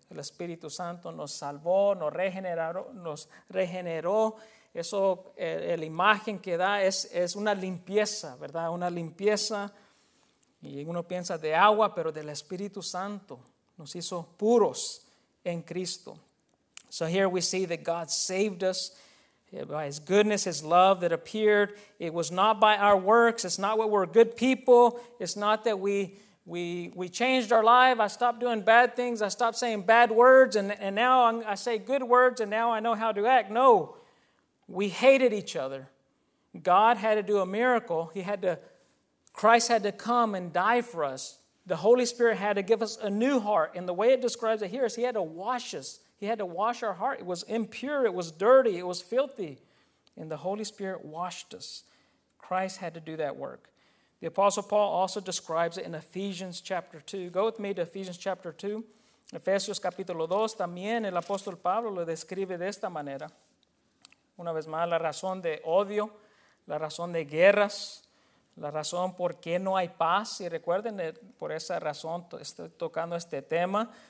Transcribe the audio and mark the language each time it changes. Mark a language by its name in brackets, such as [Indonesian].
[Spanish] El Espíritu Santo nos salvó, nos regeneró. Eso, la imagen que da es una limpieza, ¿verdad? Una limpieza, y uno piensa de agua, pero del Espíritu Santo. Nos hizo puros en Cristo. [English] So here we see that God saved us by His goodness, His love that appeared. It was not by our works. It's not what we're good people. It's not that we changed our life. I stopped doing bad things. I stopped saying bad words. And now I say good words and now I know how to act. No, we hated each other. God had to do a miracle. Christ had to come and die for us. The Holy Spirit had to give us a new heart. And the way it describes it here is He had to wash us. He had to wash our heart. It was impure. It was dirty. It was filthy. And the Holy Spirit washed us. Christ had to do that work. The Apostle Paul also describes it in Ephesians chapter 2. Go with me to Ephesians chapter 2. [Spanish] Efesios capítulo 2. También el apóstol Pablo lo describe de esta manera. Una vez más, la razón de odio, la razón de guerras, la razón por qué no hay paz. Y recuerden, por esa razón estoy tocando este tema.